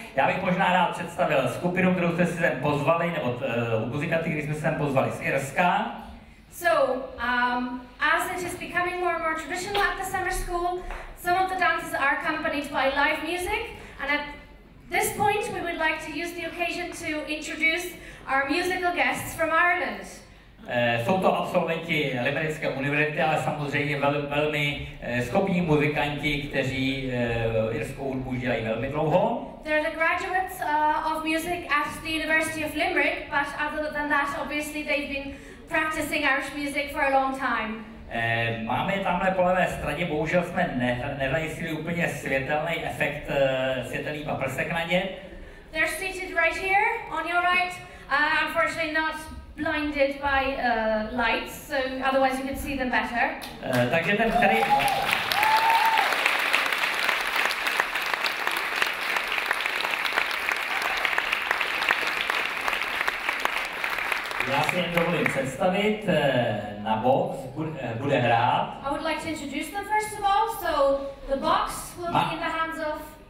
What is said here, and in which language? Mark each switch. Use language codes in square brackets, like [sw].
[cs] Já bych možná rád představil skupinu, kterou jste si sem pozvali, nebo muzikanty, který jsme sem pozvali z Irska. [en] So, as it is becoming more and more traditional at the summer school, some of the dances are accompanied by live music, and at this point we would like to use the occasion to introduce our musical guests from Ireland. [cs] Jsou to absolventi Liberecké univerzity, ale samozřejmě velmi schopní muzikanti, kteří irskou hudbu dělají velmi dlouho. [en] They're the graduates of music at the University of Limerick, but other than that, obviously they've been practicing Irish music for a long time. [cs] Máme tamhle po levé straně, bohužel jsme nezajistili úplně světelný efekt, světelný paprsek na ně. [en] They're seated right here, on your right, unfortunately not blinded by lights, so otherwise you could see them better. [cs] Takže ten, který... Já si jen dovolím představit, na box bude hrát. [en] I would like to introduce them first of all, so the box will be in the hands of...